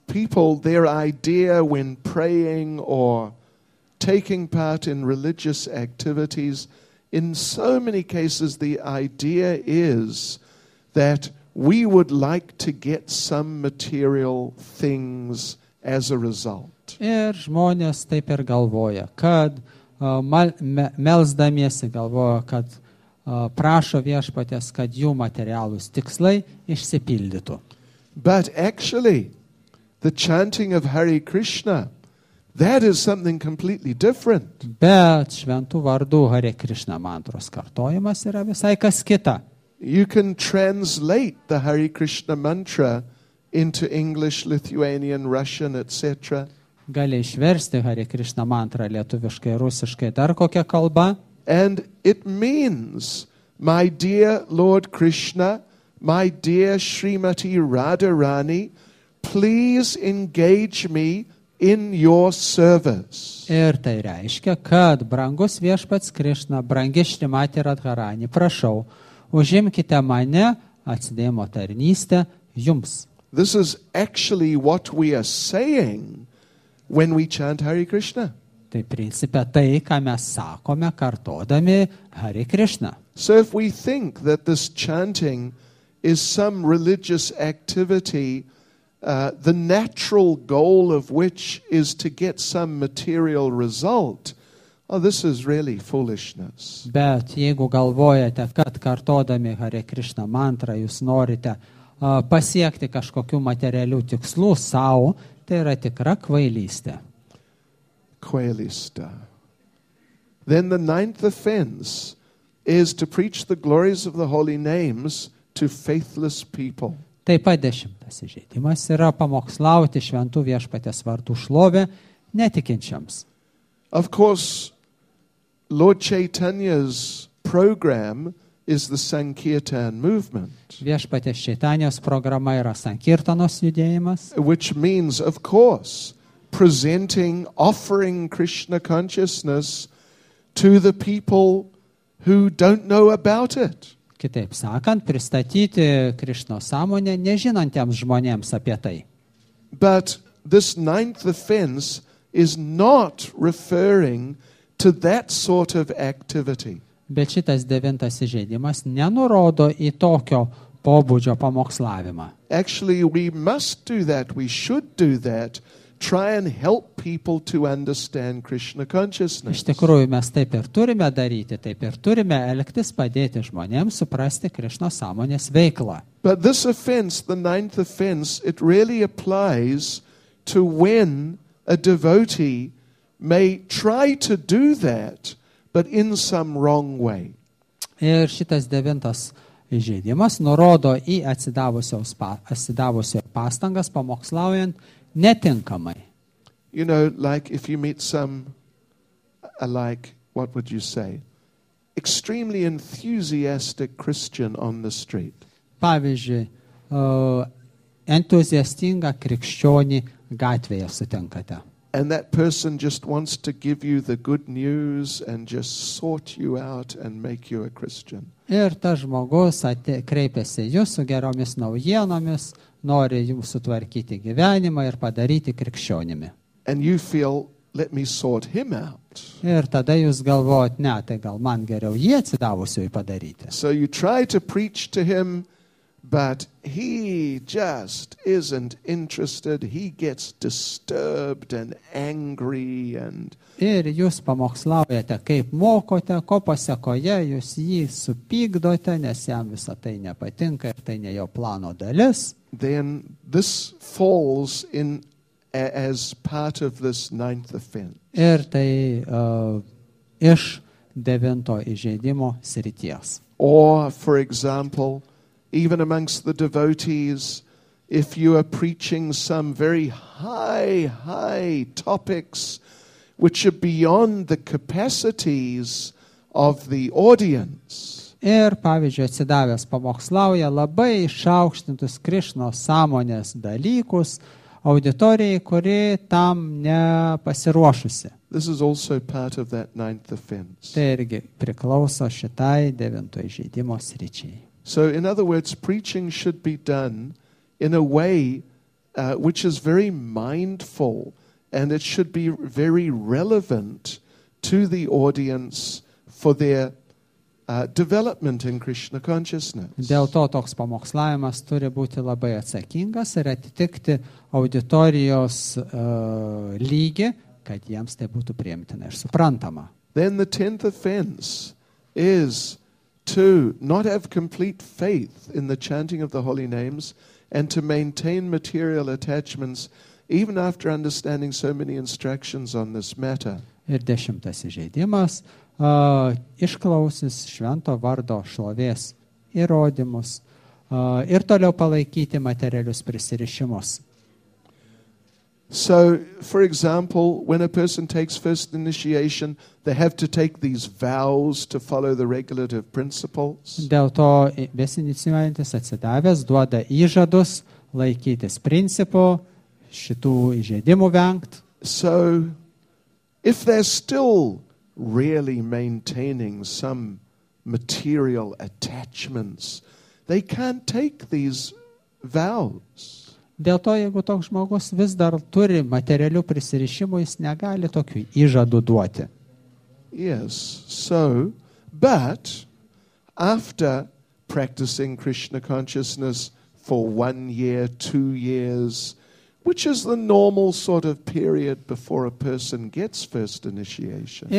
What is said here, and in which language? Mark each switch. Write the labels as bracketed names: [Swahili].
[English] People, their idea when praying or taking part in religious activities, in so many cases the idea is that we would like to get some material things as a result. [Lithuanian] Ir žmonės taip ir galvoja, kad melsdamiesi galvoja, kad prašo viešpatės, kad jų materialūs tikslai išsipildytų. [English] But actually, the chanting of Hare Krishna, that is something completely different. [Lithuanian] Bet šventų vardų Hare Krishna mantros kartojimas yra visai kas kita. [English] You can translate the Hare Krishna mantra into English, Lithuanian, Russian, etc. [Lithuanian] Gali išversti Hare Krishna mantrą lietuviškai, rusiškai, dar kokia kalba. [English] And it means, my dear Lord Krishna, my dear Srimati Radharani, please engage me in your service. [Lithuanian] Ir tai reiškia, kad brangus viešpats Krišna, brangi Šrimati Radharani, prašau, užimkite mane atsidėjimo tarnystę jums. [English] This is actually what we are saying when we chant Hare Krishna. [Lithuanian] Tai principe tai, ką mes sakome kartodami Hare Krishna. [English] So if we think that this chanting is some religious activity, the natural goal of which is to get some material result, oh, this is really foolishness. [Lithuanian] Bet jeigu galvojate, kad kartodami Hare Krishna mantrą jūs norite pasiekti kažkokių materialių tikslų sau, tai yra tikra kvailystė. Kvailista. [English] Then the ninth offense is to preach the glories of the holy names to faithless people. [Lithuanian] Taip pat dešimtas įžeidimas yra pamokslauti šventų viešpatės vardų šlovę netikinčiams. [English] Of course, Lord Chaitanya's program is the Sankirtan movement. [Lithuanian] Viešpatės Čaitanijos programa yra Sankirtanos judėjimas. [English] Which means, of course, presenting, offering Krishna consciousness to the people who don't know about it. [Lithuanian] Kitaip sakant, pristatyti Krishna sąmonę nežinantiems žmonėms apie tai. [English] But this ninth offense is not referring to that sort of activity. [Lithuanian] Bet šitas devintas įžeidimas nenurodo į tokio pobūdžio pamokslavimą. [English] Actually, we must do that, we should do that, try and help people to understand Krishna consciousness. [Lithuanian] Iš tikrųjų, mes taip ir turime daryti, taip ir turime elgtis, padėti žmonėms suprasti Krishna sąmonės veiklą. [English] But this offense, the ninth offense, it really applies to when a devotee may try to do that, but in some wrong way. [Lithuanian] Ir šitas devintas įžeidimas nurodo į atsidavusio pastangas pamokslaujant netinkamai. [English] You know, like if you meet some, like, what would you say? Extremely enthusiastic Christian on the street. [Lithuanian] Pavyzdžiui, entuziastingą krikščionį gatvėje sutinkate. [English] And that person just wants to give you the good news and just sort you out and make you a Christian. [Lithuanian] Ir tas žmogus kreipiasi jūsų geromis naujienomis, nori jums sutvarkyti gyvenimą ir padaryti krikščionimi. [English] And you feel, let me sort him out. [Lithuanian] Ir tada jūs galvojat, ne, tai gal man geriau jį atsidavusiui padaryti. [English] So you try to preach to him, but he just isn't interested, he gets disturbed and angry and... [Lithuanian] Ir jūs pamokslaujate, kaip mokote, ko pasekoje jūs jį supykdote, nes jam visą tai nepatinka ir tai ne jo plano dalis. [English] Then this falls in as part of this ninth offense. [Lithuanian] Ir tai iš devinto įžeidimo srities. [English] Or, for example, even amongst the devotees, if you are preaching some very high topics which are beyond the capacities of the audience. [Lithuanian] Ir, pavyzdžiui, atsidavęs pamokslauja labai išaukštintus Krišno sąmonės dalykus auditorijai, kuri tam nepasiruošusi. [English] This is also part of that ninth offense. [Lithuanian] Tai irgi priklauso šitai devinto įžeidimo sričiai. [English] So in other words, preaching should be done in a way which is very mindful and it should be very relevant to the audience for their development in Krishna consciousness. [Lithuanian] Dėl to toks pamokslavimas turi būti labai atsakingas ir atitikti auditorijos lygį, kad jiems tai būtų priimtina ir suprantama. [English] Then the tenth offense is to not have complete faith in the chanting of the holy names and to maintain material attachments even after understanding so many instructions on this matter. [Lithuanian] Ir dešimtas įžeidimas, išklausys švento vardo šlovės įrodymus ir toliau palaikyti materialius prisirišimus. [English] So, for example, when a person takes first initiation, they have to take these vows to follow the regulative principles. [Lithuanian] Dėl to besinicijuojantis atsidavęs duoda įžadus laikytis principų, šitų įžeidimų vengt. [English] So if they're still really maintaining some material attachments, they can't take these vows. [Lithuanian] Dėl to, jeigu toks žmogus vis dar turi materialių prisirišimų, jis negali tokių įžadų duoti. [English] Yes, so, but after practicing Krishna consciousness for 1 year, 2 years, which is the normal sort of period before a person gets first initiation.